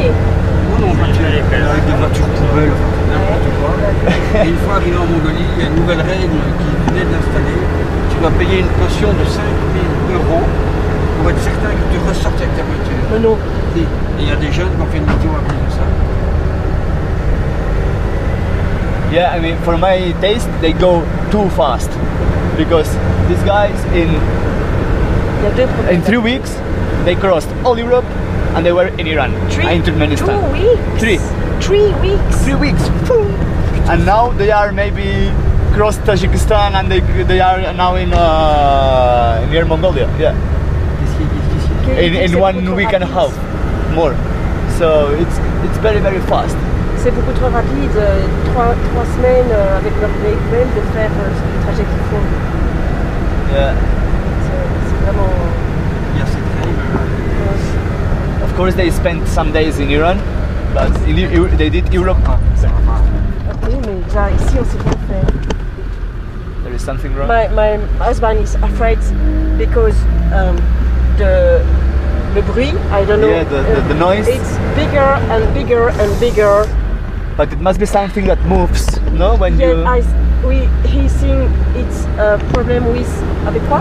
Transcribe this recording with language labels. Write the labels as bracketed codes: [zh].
[fr] Oui, non, avec des voitures poubelles, n'importe quoi. Et une fois arrivé en Mongolie, il y a une nouvelle règle qui venait d'installer. Tu vas payer une caution de 5000 euros pour être certain que tu ressortes avec ta voiture. Mais non. Et il y a des jeunes qui ont fait une vidéo à cause de ça. [en] Yeah, I mean, for my taste, they go too fast. Because these guys in 3 weeks they crossed all Europe and they were in Iran. Three weeks. Boom. And now they are maybe crossed Tajikistan and they are now in near Mongolia. Yeah. In 1 week and a half more. So it's very very fast. [fr] C'est beaucoup trop rapide. Trois semaines avec leur véhicule de faire le trajet qu'ils font. [en] Yeah. [fr] C'est vraiment... [en] Yes, yes. Of course they spent some days in Iran, but in they did Europe. [fr] Okay, mais déjà ici on sait pas faire. [en] There is something wrong. My husband is afraid because the bruit, I don't know. Yeah, the noise. It's bigger and bigger and bigger. But it must be something that moves, no? When yeah, you he's seeing it's a problem with avec quoi?